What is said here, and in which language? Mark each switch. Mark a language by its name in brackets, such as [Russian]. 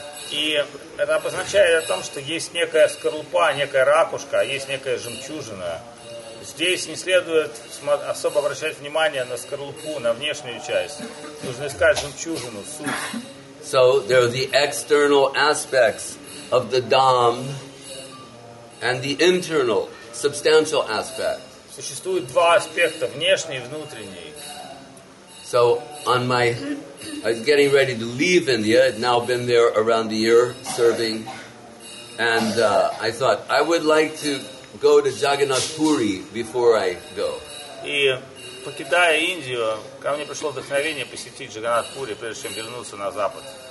[Russian] И это обозначает о том, что есть некая скорлупа, некая ракушка, а есть некая жемчужина. Здесь не следует особо обращать внимание на скорлупу, на внешнюю часть. Нужно искать жемчужину, суть. [English] So there are the external aspects of the Dham and the internal, substantial aspect. [Russian] Существует два аспекта, внешний и внутренний. [English] So I was getting ready to leave India. I'd now been there around a year serving. And I thought, I would like to go to Jagannath Puri before I go. [Russian] Покидая Индию, ко мне пришло вдохновение посетить Джаганнат Пури, прежде чем вернуться на Запад.